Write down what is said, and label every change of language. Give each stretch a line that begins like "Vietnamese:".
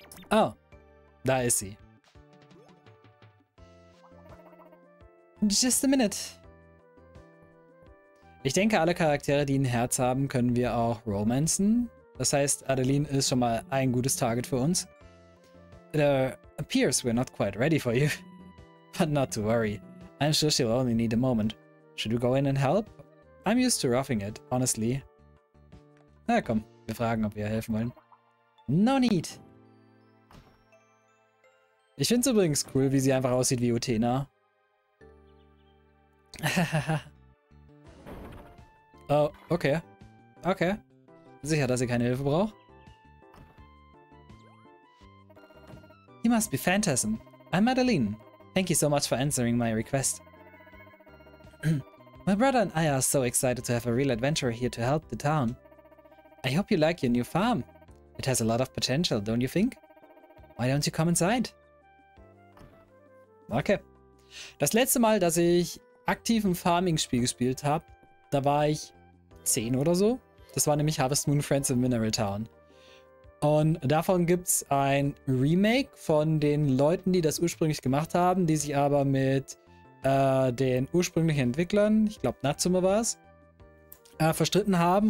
German: Oh, da ist sie.
English: Just a minute.
German: Ich denke, alle Charaktere, die ein Herz haben, können wir auch romancen. Das heißt, Adeline ist schon mal ein gutes Target für uns.
English: It appears we're not quite ready for you. But not to worry. I'm sure she'll only need a moment. Should we go in and help? I'm used to roughing it, honestly.
German: Na komm, wir fragen, ob wir helfen wollen.
English: No need!
German: Ich find's übrigens cool, wie sie einfach aussieht wie Utena. Oh, okay. Okay. Sicher, dass ihr keine Hilfe braucht?
English: You must be Phantasm. I'm Madeline. Thank you so much for answering my request. My brother and I are so excited to have a real adventurer here to help the town. I hope you like your new farm. It has a lot of potential, don't you think? Why don't you come inside? Okay.
German: Das letzte Mal, dass ich aktiv ein Farming-Spiel gespielt habe, da war ich 10 oder so. Das war nämlich Harvest Moon Friends of Mineral Town. Und davon gibt es ein Remake von den Leuten, die das ursprünglich gemacht haben, die sich aber mit den ursprünglichen Entwicklern, ich glaube Natsume war es, verstritten haben.